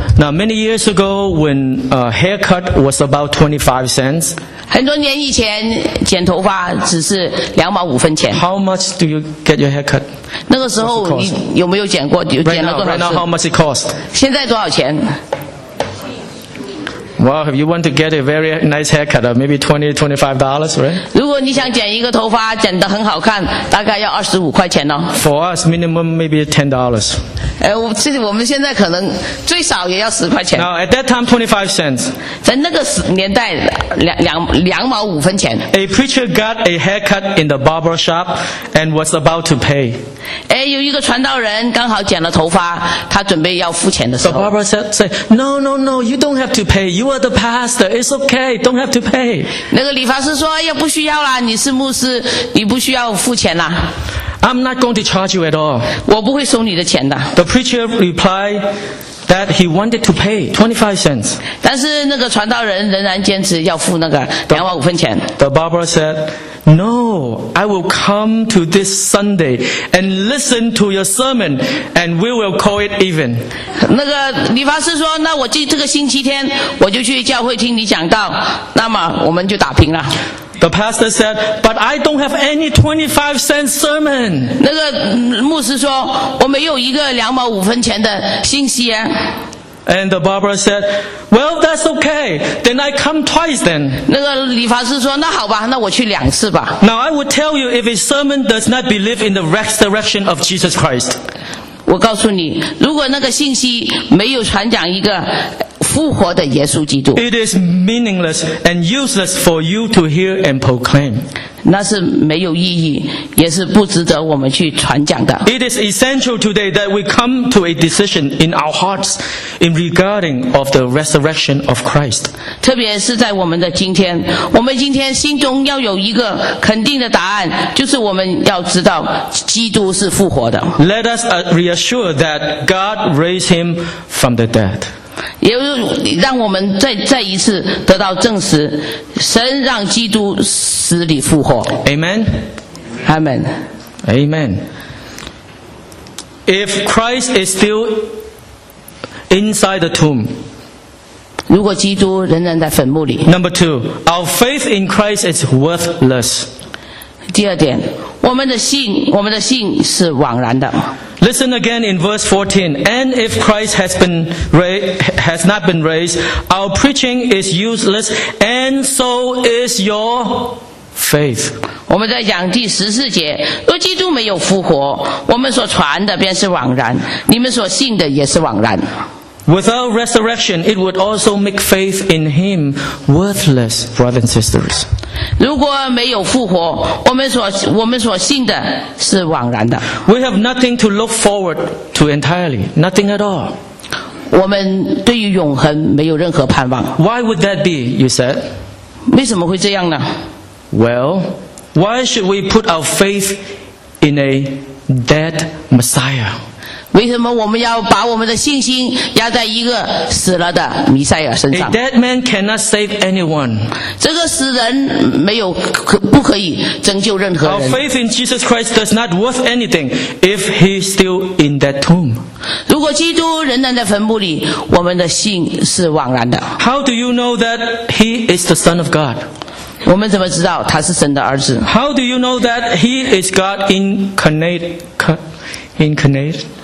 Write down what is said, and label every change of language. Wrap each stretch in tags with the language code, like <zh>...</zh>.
<en>Now many years ago when a haircut was about 25 cents,</en> <zh>很多年以前剪头发只是两毛五分钱。</zh> <en>How much do you get your haircut?</en> <zh>那个时候你有没有剪过？剪了多少次？</zh> <en>Right now, how much it cost?</en> <zh>现在多少钱？</zh> <en>Well, if you want to get a very nice haircut, maybe $20-$25, right?</en> <zh>如果你想剪一个头发，剪得很好看，大概要25块钱哦。</zh> <en>For us, minimum maybe $10.</en> <zh>我们现在可能最少也要10块钱。</zh> <en>Now, at that time, 25 cents.</en> <zh>在那个年代，两毛五分钱。</zh> <en>A preacher got a haircut in the barber shop and was about to pay.</en> <zh>有一个传道人刚好剪了头发，他准备要付钱的时候。</zh> <en>The barber said, no, you don't have to pay. You are the pastor. It's okay. Don't have to pay.</en> <zh>那个理发师说，也不需要啦，你是牧师，你不需要付钱啦。</zh> <en>I'm not going to charge you at all.</en> <zh>我不会收你的钱的。</zh> <en>The preacher replied that he wanted to pay 25 cents.</en> <zh>但是那个传道人仍然坚持要付那个两毛五分钱。</zh> <en>The barber said, No, I will come to this Sunday and listen to your sermon and we will call it even.</en> <zh>那个理发师说，那我这个星期天我就去教会听你讲道，那么我们就打平了。</zh> <en>The pastor said, but I don't have any 25 cent sermon.</en> <zh>那个牧师说，我没有一个两毛五分钱的信息。</zh> <en>And the barber said, well, that's okay. Then I come twice then.</en> <zh>那个理发师说，那好吧，那我去两次吧。</zh> <en>Now I would tell you if a sermon does not believe in the resurrection of Jesus Christ.</en> <zh>我告诉你，如果那个信息没有传讲一个复活的耶稣基督，</zh> <en>it is meaningless and useless for you to hear and proclaim.</en> <zh>那是没有意义，也是不值得我们去传讲的。</zh> <en>It is essential today that we come to a decision in our hearts in regarding of the resurrection of Christ.</en> <zh>特别是在我们的今天，我们今天心中要有一个肯定的答案，就是我们要知道基督是复活的。</zh> <en>Let us reassure that God raised him from the dead.</en> <zh>也让我们 再一次得到证实，神让基督死里复活。</zh> <en>Amen. Amen. Amen. If Christ is still inside the tomb,</en> <zh>如果基督仍然在坟墓里。</zh> <en>Number two, our faith in Christ is worthless.</en> <zh>第二点，我们的信是枉然的。</zh> <en>Listen again in verse 14. And if Christ has not been raised, our preaching is useless, and so is your faith.</en> <zh>我们在讲第十四节，若基督没有复活，我们所传的便是枉然，你们所信的也是枉然。</zh> <en>Without resurrection, it would also make faith in him worthless, brothers and sisters.</en> <zh>如果没有复活，我们所信的是枉然的。</zh> <en>We have nothing to look forward to entirely, nothing at all.</en> <zh>我们对于永恒没有任何盼望。</zh> <en>Why would that be, you said?</en> <zh>为什么会这样呢？</zh> <en>Well, why should we put our faith in a dead Messiah?</en> <zh>为什么我们要把我们的信心压在一个死了的弥赛亚身上？</zh> <en>A dead man cannot save anyone.</en> <zh>这个死人没有不可以拯救任何人。</zh> <en>Our faith in Jesus Christ does not worth anything if he's still in that tomb.</en> <zh>如果基督仍然在坟墓里，我们的信是枉然的。</zh> <en>How do you know that he is the Son of God?</en> <zh>我们怎么知道他是神的儿子？</zh> <en>How do you know that he is God incarnated.</en>